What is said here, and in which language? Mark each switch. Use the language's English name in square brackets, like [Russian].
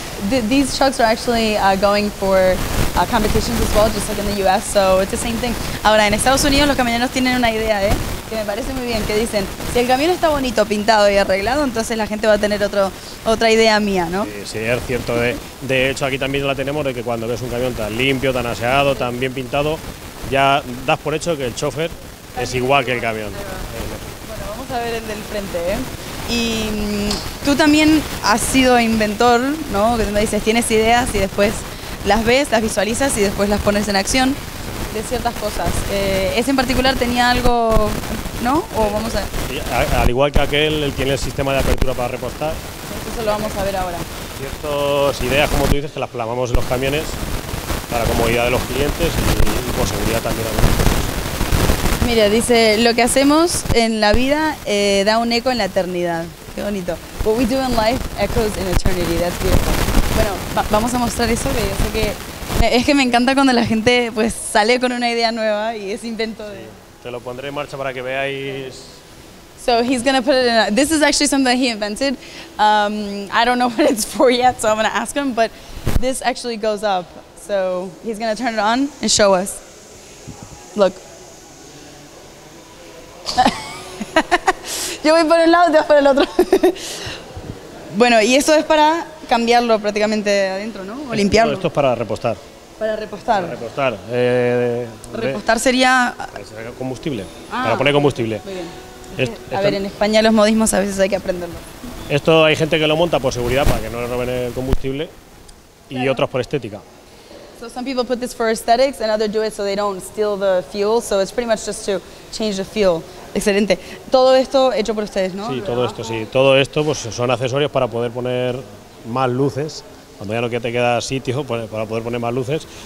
[English] These trucks are actually going for competitions as well, just like in the US, so it's the same thing. [Spanish] Ahora, en Estados Unidos los camioneros tienen una idea, que me parece muy bien, que dicen, si el camión está bonito, pintado y arreglado, entonces la gente va a tener otra idea mía, ¿no? Sí, sí, es cierto. De hecho, aquí también la tenemos, de que cuando ves un camión tan limpio, tan aseado, tan bien pintado, ya das por hecho que el chofer es igual que el camión. Bueno, vamos a ver el del frente, Y tú también has sido inventor, ¿no? Que me dices, tienes ideas y después las ves, las visualizas y después las pones en acción de ciertas cosas. ¿Ese en particular tenía algo, no? O vamos a ver. Sí, al igual que aquel, él tiene el sistema de apertura para repostar. Eso lo vamos a ver ahora. Ciertas ideas, como tú dices, que las plasmamos en los camiones para comodidad de los clientes y por seguridad también a los. Mira, dice, lo que hacemos en la vida da un eco en la eternidad. Qué bonito. [English] What we do in life echoes in eternity. That's beautiful. [Spanish] Bueno, vamos a mostrar eso, que yo sé que... Es que me encanta cuando la gente pues sale con una idea nueva y es invento de... Sí, te lo pondré en marcha para que veáis... [English] So he's gonna put it in... This is actually something he invented. I don't know what it's for yet, so I'm gonna ask him, but this actually goes up. So he's gonna turn it on and show us. Look. [Spanish] Yo voy por un lado y te vas por el otro. Bueno, y esto es para cambiarlo prácticamente adentro, ¿no? O limpiarlo. Esto es para repostar. Para repostar. Para repostar. Repostar sería... Combustible. Para poner combustible. Muy bien. A ver, en España los modismos a veces hay que aprenderlo. Esto hay gente que lo monta por seguridad para que no le roben el combustible, claro. Y otros por estética. [English] So some people put this for aesthetics and others do it so they don't steal the fuel. So it's pretty much just to change the fuel. [Spanish] Excelente. Todo esto hecho por ustedes, ¿no? Sí, todo esto, sí. Todo esto pues son accesorios para poder poner más luces. Cuando ya no te queda sitio, pues, para poder poner más luces.